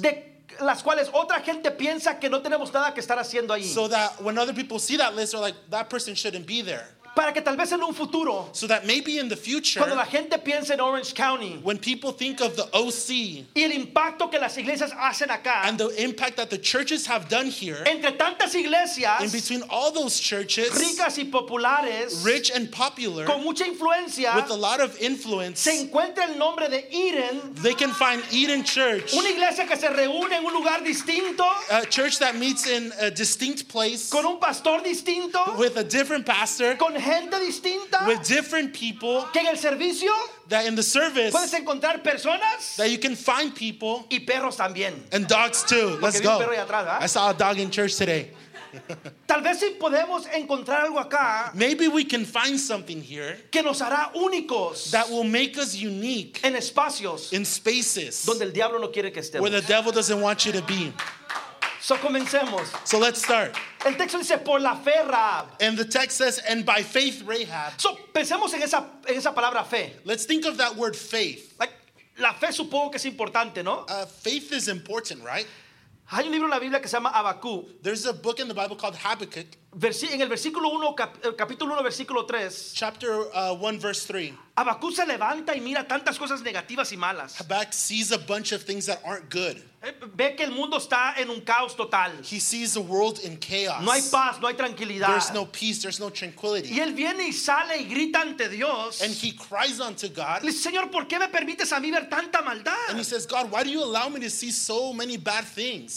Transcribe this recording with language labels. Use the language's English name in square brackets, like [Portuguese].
[Spanish] De las cuales otra gente piensa que no tenemos nada que estar haciendo ahí. [English] So that when other people see that list, they're like, that person shouldn't be there. [Spanish] Para que tal vez en un futuro. [English] So that maybe in the future. [Spanish] Cuando la gente piensa en Orange County. [English] When people think of the OC. [Spanish] Y el impacto que las iglesias hacen acá. [English] And the impact that the churches have done here. [Spanish] Entre tantas iglesias. [English] In between all those churches. [Spanish] Ricas y populares. [English] Rich and popular. [Spanish] Con mucha influencia. [English] With a lot of influence. [Spanish] Se encuentra el nombre de Eden. [English] They can find Eden Church. [Spanish] Una iglesia que se reúne en un lugar distinto. [English] A church that meets in a distinct place. [Spanish] Con un pastor distinto. [English] With a different pastor. [Spanish] Con gente distinta, [English] with different people, [Spanish] que en el servicio, [English] that in the service, [Spanish] puedes encontrar personas, [English] that you can find people, [Spanish] y perros también, [English] and dogs too. Let's go. [Spanish] Perro atrás, ¿eh? [English] I saw a dog in church today. [Spanish] Tal vez si podemos encontrar algo acá, [English] maybe we can find something here [Spanish] que nos hará únicos, [English] that will make us unique [Spanish] en espacios, [English] in spaces [Spanish] donde el diablo no quiere que estemos, [English] where the devil doesn't want you to be. [Spanish] So comencemos. [English] So let's start. [Spanish] El texto dice por la fe Rahab. [English] And the text says and by faith Rahab. [Spanish] So pensemos en esa palabra fe. [English] Let's think of that word faith. [Spanish] Like la fe supongo que es importante, ¿no? [English] Faith is important, right? [Spanish] Hay un libro en la Biblia que se llama Habacuc. [English] There's a book in the Bible called Habakkuk. [Spanish] En el versículo 1, capítulo 1, versículo 3. [English] Chapter 1, verse 3. [Spanish] Habacuc se levanta y mira tantas cosas negativas y malas. [English] Habacuc sees a bunch of things that aren't good. [Spanish] Ve que el mundo está en un caos total. [English] He sees the world in chaos. [Spanish] No hay paz, no hay tranquilidad. [English] There's no peace, there's no tranquility. [Spanish] Y él viene y sale y grita ante Dios. [English] And he cries unto God. [Spanish] Le dice, Señor, ¿por qué me permites a mí ver tanta maldad? [English] And he says, God, why do you allow me to see so many bad things?